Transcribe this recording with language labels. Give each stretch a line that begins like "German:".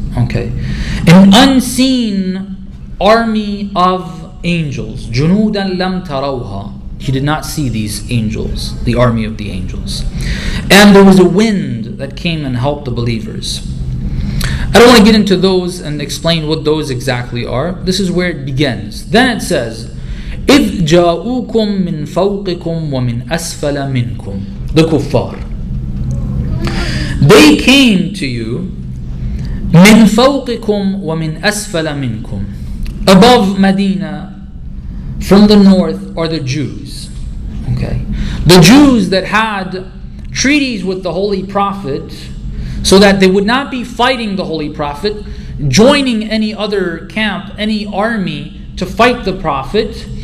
English: Okay. An unseen army of angels.
Arabic: جُنُودًا لَمْ تَرَوْهَا.
English: He did not see these angels, the army of the angels. And there was a wind that came and helped the believers. I don't want to get into those and explain what those exactly are. This is where it begins. Then it says,
Arabic: إِذْ جَاءُوكُمْ مِنْ فَوْقِكُمْ وَمِنْ أَسْفَلَ مِنْكُمْ.
English: The kuffar. They came to you,
Arabic: مِنْ فَوْقِكُمْ وَمِنْ أَسْفَلَ مِنْكُمْ.
English: Above Medina, from the north, are the Jews. Okay, the Jews that had treaties with the Holy Prophet so that they would not be fighting the Holy Prophet, joining any other camp, any army to fight the Prophet.